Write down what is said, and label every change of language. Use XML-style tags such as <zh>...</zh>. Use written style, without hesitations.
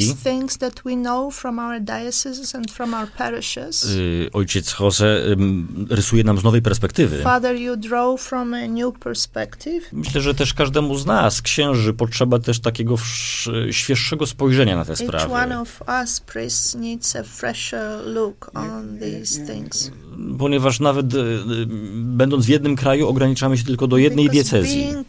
<en>These things that we know from our dioceses and from our parishes.</en> <pl>Ojciec Jose rysuje nam z nowej perspektywy.</pl> <en>Father, you draw from a new perspective.</en> <pl>Myślę, że też każdemu z nas, księży, potrzeba też takiego świeższego spojrzenia na te sprawy.</pl> <en>Each one of us priests needs a fresher look on these things.</en> <pl>Ponieważ nawet będąc w jednym kraju, ograniczamy się tylko do jednej diecezji.</pl>